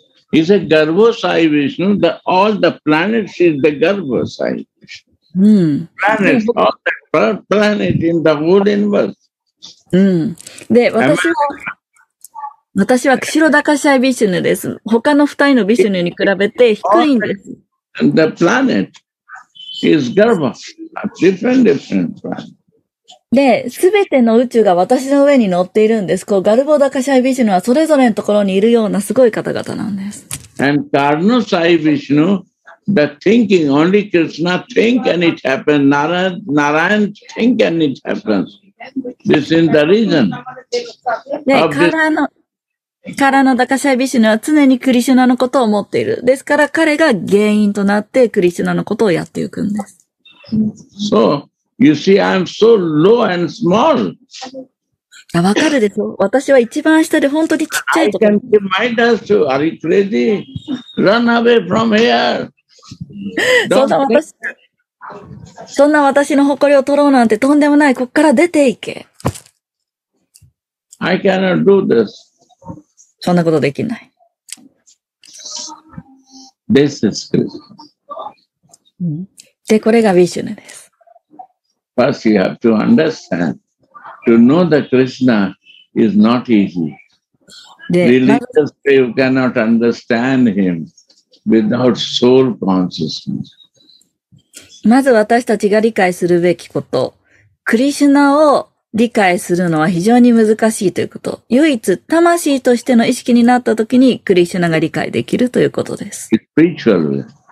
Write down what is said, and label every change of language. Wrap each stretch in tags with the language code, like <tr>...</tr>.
<en>He said, Garbha Sai Vishnu, all the planets is the Garbha Sai Vishnu.、</en> <ja>うん、</ja> <en>planets, all the planets in the whole universe.、</en> <ja>うん、で、私はクシロダカシャイビシュヌです。他の二人のビシュヌに比べて低いんです。</ja> <en>The planet is Garbha, a different planet.</en> <ja>で、すべての宇宙が私の上に乗っているんです。こう、ガルボダカシャイビシュヌはそれぞれのところにいるようなすごい方々なんです。</ja> <en>And Karno Sai Vishnu, the thinking, only Krishna think and it happens. Narayan think and it happens. This is the reason.</en> <ja>で、カラの、カラナダカシャビシュヌは常にクリシュナのことを思っている。ですから彼が原因となってクリシュナのことをやっていくんです。</ja> <en>So, you see, I'm so low and small.</en> <ja>わかるでしょ。私は一番下で本当にちっちゃいところ。</ja> <en>I can remind us to, are you crazy? Run away from here.</en> <ja>そんな私の誇りを取ろうなんてとんでもない。こっから出ていけ。</ja> <en>I cannot do this.</en> <ja>そんなことできない。</ja> <en>This is Krishna.</en> <ja>で、これがヴィシュヌです。</ja> <en>First, you have to understand. To know that Krishna is not easy. Religious way, you cannot understand him without soul consciousness.</en> <ja>まず私たちが理解するべきこと、クリシュナを理解するのは非常に難しいということ。唯一、魂としての意識になったときに、クリシュナが理解できるということです。</ja> <en>Spiritual.</en>